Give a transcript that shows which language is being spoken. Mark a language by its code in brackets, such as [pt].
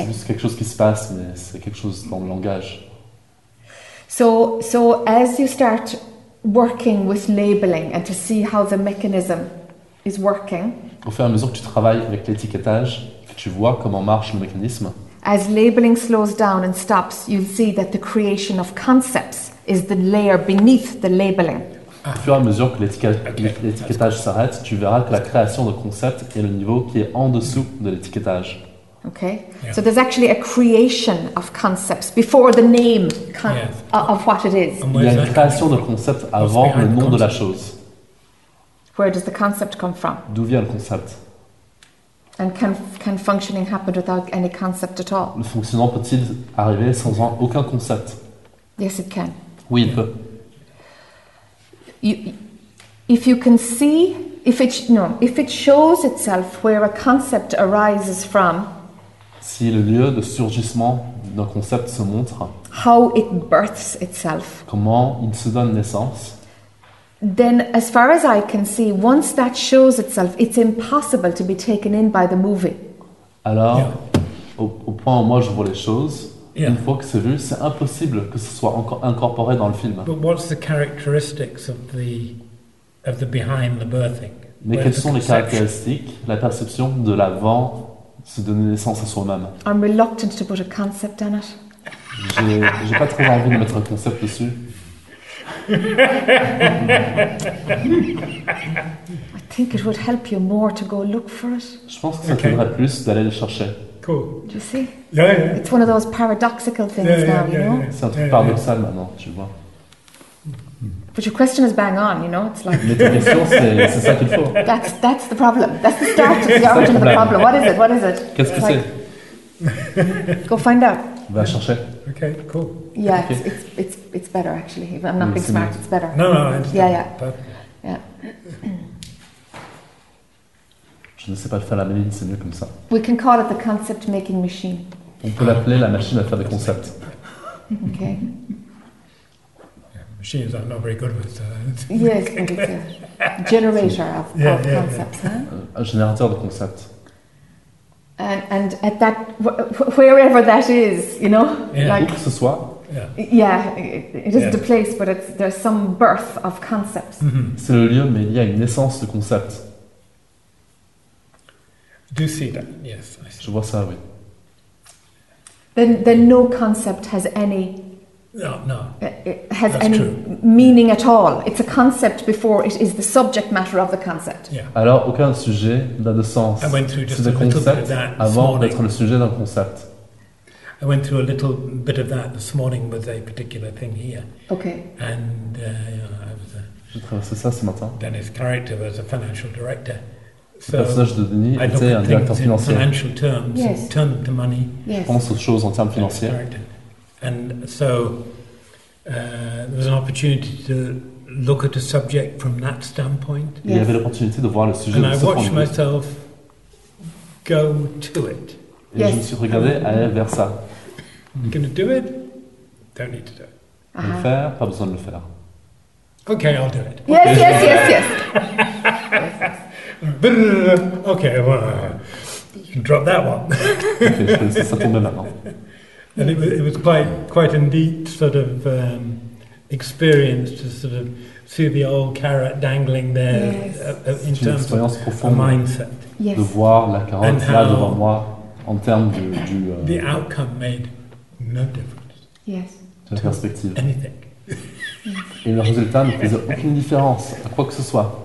[fr] C'est juste quelque chose qui se passe, mais c'est quelque chose dans le langage. [en] So as you start working with labeling and to see how the mechanism is working. [fr] Au fur et à mesure que tu travailles avec l'étiquetage, que tu vois comment marche le mécanisme. [en] As labeling slows down and stops, you'll see that the creation of concepts is the layer beneath the labeling. [fr] Au fur et à mesure que l'étiquetage s'arrête, tu verras que la création de concepts est le niveau qui est en dessous de l'étiquetage. [en] Okay. Yeah. So there's actually a creation of concepts before the name of what it is. [fr] Il y a une création de concepts avant le nom de la chose. [en] Where does the concept come from? [fr] D'où vient le concept? [en] And can functioning happen without any concept at all? [fr] Le fonctionnement peut-il arriver sans aucun concept? [en] Yes, it can. [fr] Oui, il peut. [en] If it shows itself where a concept arises from. [fr] Si le lieu de surgissement d'un concept se montre. [en] How it births itself. [fr] Comment il se donne naissance? [en] Then, as far as I can see, once that shows itself, it's impossible to be taken in by the movie. [fr] Alors, au point où moi je vois les choses, une fois que c'est vu, c'est impossible que ce soit encore incorporé dans le film. [en] But what's the characteristics of the behind the birthing? [fr] Mais quelles sont les caractéristiques, la perception de l'avant se donner naissance à soi-même? [en] I'm reluctant to put a concept on it. [fr] J'ai pas très envie de mettre un concept dessus. [en] I think it would help you more to go look for it. [fr] Je pense que ça t'aiderait plus d'aller le chercher. [en] Cool. Do you see? Yeah. It's one of those paradoxical things now. [fr] C'est un truc paradoxal maintenant, tu vois. [en] But your question is bang on, you know. It's like. [fr] Mais ta question, c'est ça qu'il faut. [en] That's the problem. That's the start of the origin of the problem. What is it? [fr] Qu'est-ce que c'est? [en] Go find out. [fr] Va chercher. [en] Okay, cool. Yeah, it's better actually. I'm not being smart. It's better. No, I understand. Yeah, yeah. [fr] Je ne sais pas faire la machine, c'est mieux comme ça. [en] We can call it the concept making machine. [fr] On peut l'appeler la machine à faire des concepts. [en] Okay. Yeah, machines are not very good with. Yes, it's a generator of concepts. [fr] Un générateur de concepts. [en] And at that wherever that is, you know, [fr] like où que ce soit. [en] It isn't a place, but it's there's some birth of concepts. Mm-hmm. [fr] C'est le lieu, mais il y a une naissance de concepts. [en] Do you see that? Yes, I see. [fr] Je vois ça, oui. [en] Then no concept has any. No, that's true. Meaning at all. It's a concept before it is the subject matter of the concept. Yeah. [fr] Alors aucun sujet n'a de sens. [en] I went through just a little bit of that this [fr] avant [en] morning. [fr] D'être le sujet d'un concept. [en] I went through a little bit of that this morning with a particular thing here. Okay. And I was a. [fr] J'ai traversé ça ce matin. [en] Dennis' character was a financial director. [fr] So le personnage de Denis était [en] I looked at [fr] un directeur [en] things [fr] financier. [en] In financial terms. Yes. And turned to money. Yes. [fr] Je pense aux choses en termes financiers. [en] And so there was an opportunity to look at a subject from that standpoint. Yes. [fr] Il y avait l'opportunité de voir le sujet [en] and [fr] de [en] I [fr] ce [en] watched myself go to it. [fr] Et yes. Je me suis regardé aller vers ça. [en] I'm going to do it. Don't need to do it. [fr] Uh-huh. Le faire, pas besoin de le faire. [en] Okay, I'll do it. Yes, yes, yes, yes. Okay, well. drop that one. And it was quite a neat sort of experience to sort of see the old carrot dangling there. Yes. In terms of a mindset. [fr] Yes. De voir la carotte là devant moi en termes de, du. [en] The outcome made no difference. Yes. [fr] De la perspective. [en] Anything. [fr] Et le résultat ne faisait aucune différence à quoi que ce soit.